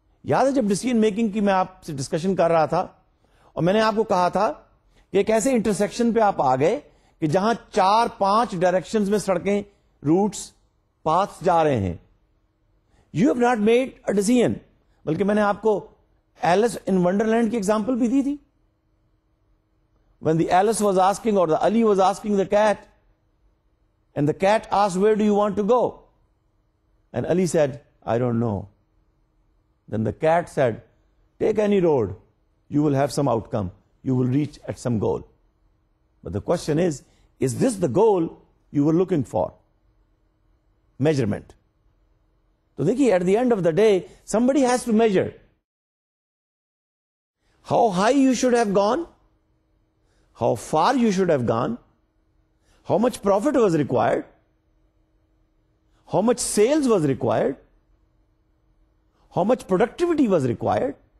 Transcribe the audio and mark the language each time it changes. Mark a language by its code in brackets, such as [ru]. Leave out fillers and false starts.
[ur] یاد ہے جب ڈیسیژن میکنگ کی میں آپ سے ڈسکشن کر رہا تھا اور میں نے آپ کو کہا تھا کہ ایک ایسے انٹرسیکشن پہ آپ آ گئے کہ جہاں چار پانچ ڈائریکشنز میں سڑکیں, روٹس, پاتھ جا رہے ہیں. [en] you have not made a decision, [ur] بلکہ میں نے آپ کو ایلس ان ونڈر لینڈ کی ایگزامپل بھی دی تھی. [en] When the Alice was asking or the Ali was asking the cat, and the cat ask where do you want to go, and Ali said, I don't know. Then the cat said, take any road, you will have some outcome, you will reach at some goal. But the question is this the goal you were looking for? Measurement. So, [ur] dekhi, [en] at the end of the day, somebody has to measure how high you should have gone, how far you should have gone, how much profit was required, how much sales was required, how much productivity was required.